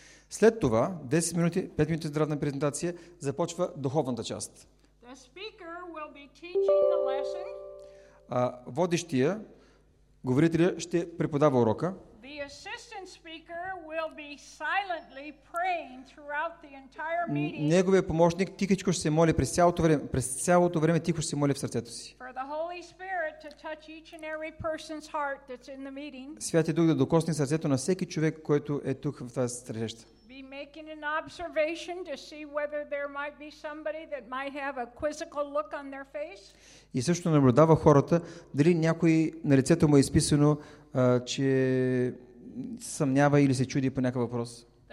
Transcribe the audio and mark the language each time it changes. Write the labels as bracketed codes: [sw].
[bg] След това, 10 минути, 5 минути здравна презентация, започва духовната част. [en] The speaker will be teaching the lesson. [bg] Водещия, говорителя, ще преподава урока. [en] The assistant speaker will be silently praying throughout the entire meeting. [bg] Неговият помощник тихичко ще се моли през цялото време, тихо ще се моли в сърцето си. [en] For the Holy Spirit to touch each and every person's heart that's in the meeting. [bg] Святият Дух да докосне сърцето на всеки човек, който е тук в тази среща. [en] Be making an observation to see whether there might be somebody that might have a quizzical look on their face. [bg] И също наблюдава хората дали някой на лицето му е изписано че съмнява или се чуди по някакъв въпрос.